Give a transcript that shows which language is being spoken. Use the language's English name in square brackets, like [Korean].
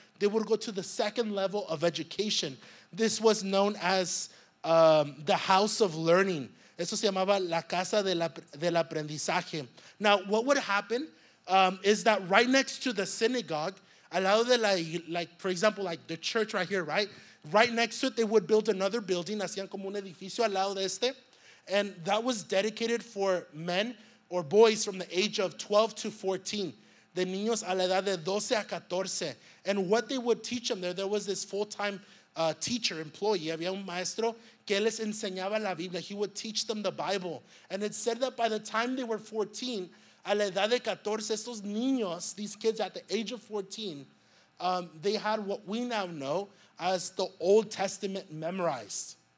[English] They would go to the second level of education. This was known as the house of learning. [Spanish] Eso se llamaba la casa del aprendizaje. [English] Now, what would happen is that right next to the synagogue, [Spanish] al lado de la, [English] like, for example, like the church right here, right? Right next to it, they would build another building. [Spanish] Hacían como un edificio al lado de este. [English] And that was dedicated for men or boys from the age of 12 to 14. [Spanish] De niños a la edad de 12 a 14. [English] And what they would teach them there was this full-time teacher, employee. [Spanish] Había un maestro que les enseñaba la Biblia. [English] He would teach them the Bible. And it said that by the time they were 14, [Spanish] a la edad de 14, estos niños, [English] these kids at the age of 14, they had what we now know as the Old Testament memorized.